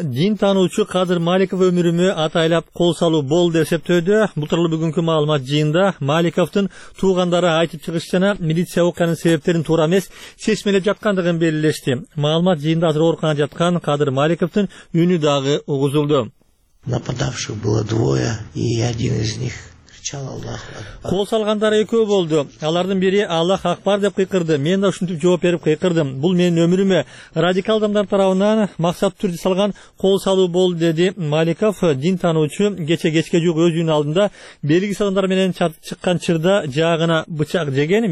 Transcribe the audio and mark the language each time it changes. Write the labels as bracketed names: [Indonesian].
[Kyrgyz] Дин таануучу Кадыр Маликов өмүрүмө атайлап кол салуу бол деп эсептөөдө. Бутурлу бүгүнкү маалымат жыйында Маликовдун туугандары айтып чыгыш жана милиция окуянын себептерин туура эмес чечмелеп жаткандыгын белгилешти. Маалымат жыйында азыр ооруканада жаткан Кадыр Маликовдун үнү дагы угузулду. [Russian] Нападавших было двое, и один из них кричал Аллах Акбар. [Kyrgyz] Кол салгандар экөө болду. Алардын бири Аллах Акбар деп кыйкырды. Мен да ушинтип жооп берип кыйкырдым. Бул менин өмүрүмө радикал адамдар тарабынан максат түрдө салган кол салуу болду, деди Маликов. Дин таануучу кече кечке жок өз үйүнүн алдында белгисиз адамдар менен чыккан чырда жаагына бычак жеген.